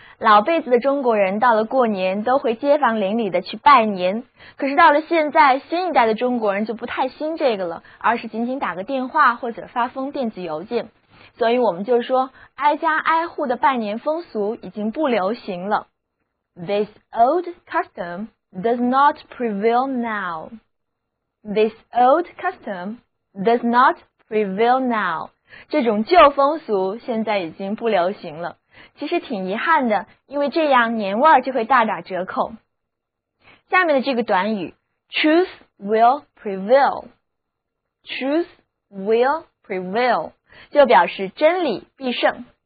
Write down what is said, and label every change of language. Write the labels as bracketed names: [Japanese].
[Chinese] 老辈子的中国人到了过年都会街坊邻里的去拜年，可是到了现在，新一代的中国人就不太兴这个了，而是仅仅打个电话或者发封电子邮件，所以我们就说挨家挨户的拜年风俗已经不流行了。 [English] This old custom does not prevail nowThis old custom does not prevail now. [Chinese] 这种旧风俗现在已经不流行了。其实挺遗憾的，因为这样年味就会大打折扣。下面的这个短语 , truth will prevail. Truth will prevail, 就表示真理必胜。